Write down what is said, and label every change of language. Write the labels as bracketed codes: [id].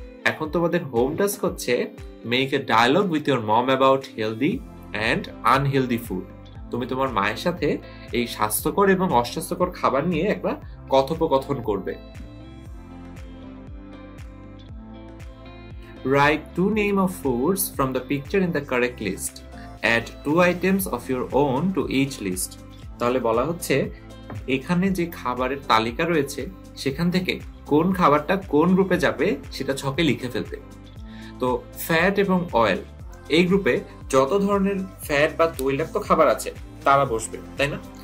[bn] এখন তোমাদের home task হচ্ছে [en] Make a dialogue with your mom about healthy and unhealthy food. [bn] তুমি তোমার মায়ের সাথে এই স্বাস্থ্যকর এবং অস্বাস্থ্যকর খাবার নিয়ে একটা কথোপকথন করবে। [en] Write two name of foods from the picture in the correct list. Add two items of your own to each list. [bn] তাহলে বলা হচ্ছে এখানে যে খাবারের তালিকা রয়েছে সেখান থেকে কোন খাবারটা কোন গ্রুপে যাবে সেটা ছকে লিখে ফেলতে। তো ফ্যাট এবং অয়েল, এই গ্রুপে যত ধরনের ফ্যাট বা তৈলাক্ত খাবার আছে তারা বসবে, তাই না?